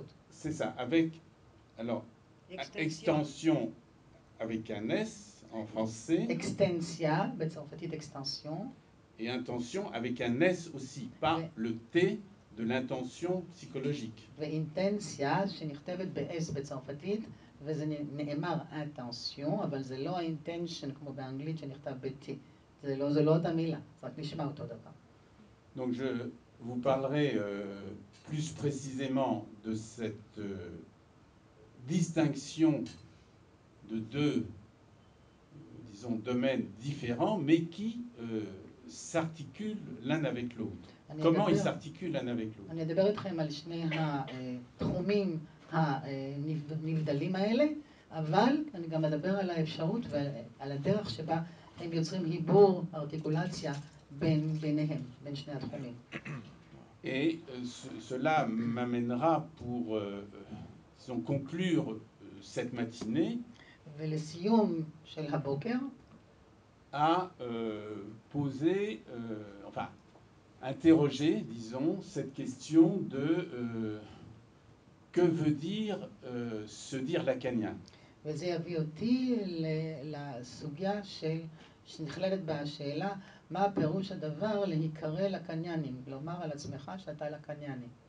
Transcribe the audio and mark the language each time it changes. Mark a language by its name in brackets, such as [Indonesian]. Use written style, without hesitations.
[French] C'est ça, avec, alors, extension avec un S en français. Extensia, en fait, extension. Et intention avec un S aussi, pas le T. De l'intention psychologique. [Hebrew] ואינטנציה שנכתבת ב-S בצרפתית, וזה נאמר intention, אבל זה לא intention כמו באנגלית שנכתב ב-T. זה לא אותה מילה, זה רק נשמע אותו דבר. [French] Donc je vous parlerai plus précisément de cette distinction de deux, disons, domaines différents, mais qui s'articulent l'un avec l'autre. Comment ils s'articulent l'un avec l'autre? [Hebrew] אני אדבר איתכם על שני התחומים הנבדלים האלה, אבל אני גם אדבר על האפשרות ועל הדרך שבה הם יוצרים היבור, ארטיקולציה ביניהם, בין שני התחומים. [French] Et cela m'amènera pour disons, conclure cette matinée [Hebrew] ולסיום של הבוקר [French] à poser enfin interroger disons cette question de que veut dire se dire lacanien. [Hebrew] וזה יביא אותי לסוגיה של שנכללת בשאלה מה הפירוש הדבר להיקרא לקניינים, לומר על עצמך שאתה לקנייני.